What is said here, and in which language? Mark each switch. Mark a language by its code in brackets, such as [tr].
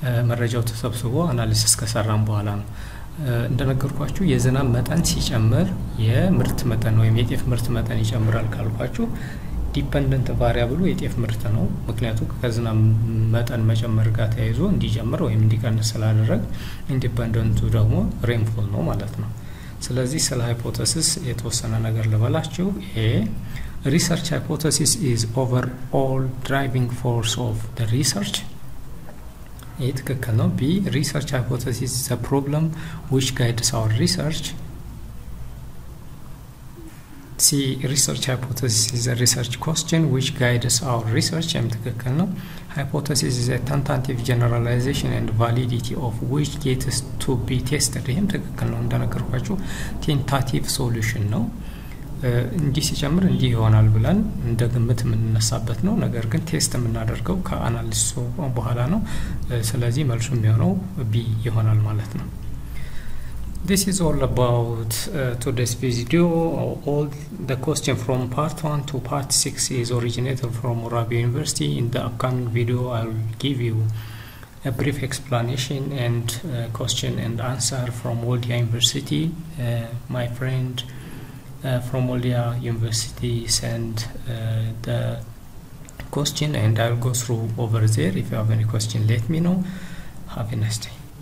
[am] መረጃው ተሰብስቦ አናሊሲስ ከሰራን በኋላ ነው። እንደነገርኳችሁ የዘናም መጠን ሲጨምር የምርት መጠን ወይም የጤፍ ምርት መጠን ይጨምራል ካልኳችሁ dependent variable የጤፍ ምርት ነው። ምክንያቱም ከዝናብ መጠን መጨመር ጋር ተያይዞ እንዲጨምር ወይም እንዲቀንስ ስላደረግ independent ደግሞ rainfall ነው ማለት ነው። ስለዚህ ስለ ሃይፖቴሲስ የተወሰነ ነገር ልበላችሁ። A. [en] Research hypothesis is overall driving force of the research. It cannot be. Research hypothesis is a problem which guides our research. C. Research hypothesis is a research question which guides our research. I'm thinking, no? Hypothesis is a tentative generalization and validity of which gets to be tested. I'm thinking, no? I'm going to say tentative solution, no? [am] እንዲህ ሲጨምር እንዲህ ይሆናል ብለን እንደ ግምት የምንነሳበት ነው። ነገር ግን ቴስት የምናደርገው ከአናሊሲሱ በኋላ ነው። ስለዚህ መልሱ የሚሆነው ቢ ይሆናል ማለት ነው። [en] This is all about today's video. All the question from part 1 to part 6 is originated from Urabi University. In the upcoming video I'll give you a brief explanation and question and answer from Waldia University. My friend from Waldia University send the question and I'll go through over there. If you have any question, let me know. Have a nice day.